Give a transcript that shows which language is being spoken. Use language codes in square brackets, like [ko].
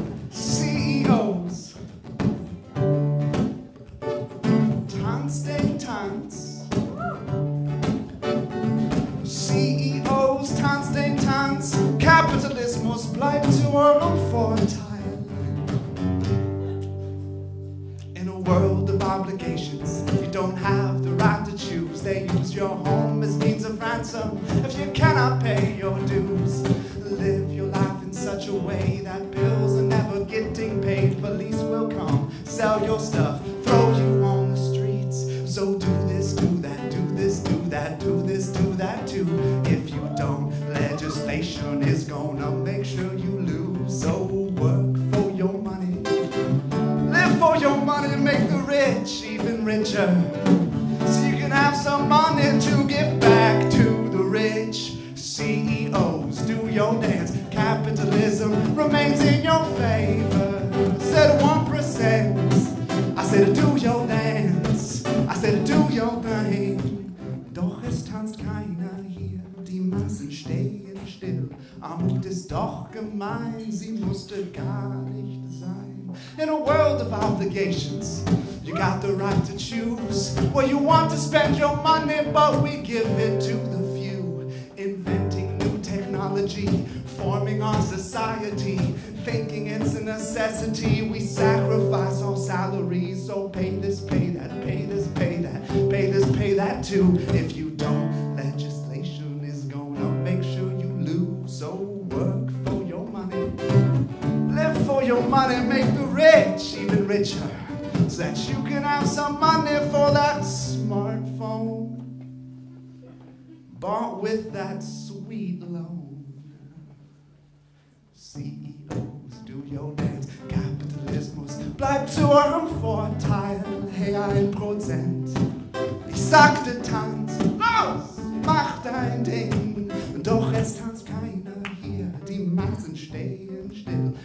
[en] CEOs. [de] Tanz den Tanz. CEOs, Tanz den Tanz. Kapitalismus bleibt zu eurem Vorteil. [en] In a world of obligations, you don't have the right to choose. They use your home as means of ransom if you cannot pay your dues. Live your life in such a way that bills are never getting paid. Police will come, sell your stuff, throw you on the streets. So do this, do that, do this, do that, do this, do that too. If you don't, legislation is gonna make sure you lose. So work for your money, live for your money, make the rich even richer, so you can have some money to give back to the rich. CEOs, do your dance. Capitalism remains in your favor. I said 1%. I said do your dance. I said do your thing. [de] Doch es tanzt keiner hier. Die Massen stehen still. Armut ist doch gemein. Sie musste gar nicht sein. [en] In a world of obligations, you got the right to choose where you want to spend your money, but we give it to the few. Inventing new technology, forming our society, thinking it's a necessity. We sacrifice our salaries, so pay this, pay that, pay this, pay that, pay this, pay that too. If you don't, legislation is gonna make sure you lose. So work for your money, live for your money, make the rich even richer, so that you can have some money for that smartphone bought with that sweet loan. CEOs, do your dance. [de] Capitalismus bleibt zu eurem Vorteil. Hey, 1%. Ich sagte Tanz, los, mach dein Ding. Doch es tanzt keiner hier, die Massen stehen still.